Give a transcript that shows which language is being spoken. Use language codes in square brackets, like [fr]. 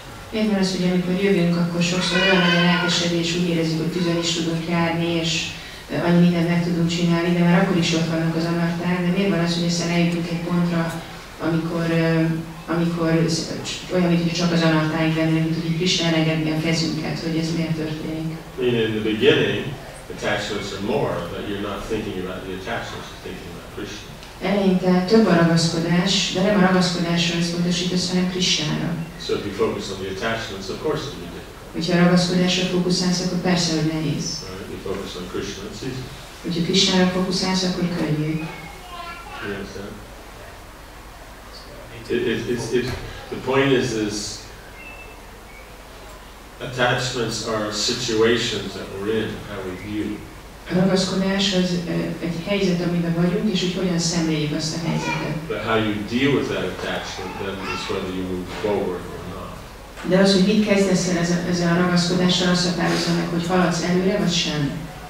[hu] Miért az, hogy amikor jövünk, akkor sokszor olyan nagy a lelkesedés, úgy érezzük, hogy tüzön is tudok járni, és annyi mindent meg tudunk csinálni, de már akkor is ott vannak az anarták, de miért van az, hogy aztán eljutunk egy pontra, amikor olyan, mintha csak az anartáig lenne, mint tudjuk is elegedni a kezünket, hogy ez miért történik. [en] In the beginning, attachments are more, but you're not thinking about the attachments, you're thinking about Krishna. [hu] Eleinte több a ragaszkodás, de nem a ragaszkodásra összpontosítasz, hanem Krisnára. [en] So if you focus on the attachments, of course it'll be difficult. [hu] Hogyha a ragaszkodásra fókuszálsz, akkor persze, hogy nehéz. [en] Right. You focus on Krishna, it's easy. [hu] Hogyha Krisnára fókuszálsz, akkor könnyű. [en] You understand? The point is attachments are situations that we're in, how we view. [hu] A ragaszkodás az egy helyzet, amiben vagyunk, és hogy hogyan szemléljük azt a helyzetet. [en] But how you deal with that attachment then is whether you move forward or not. [hu] De az, hogy mit kezdesz el ezzel a ragaszkodással, azt határozza meg, hogy haladsz előre, vagy sem.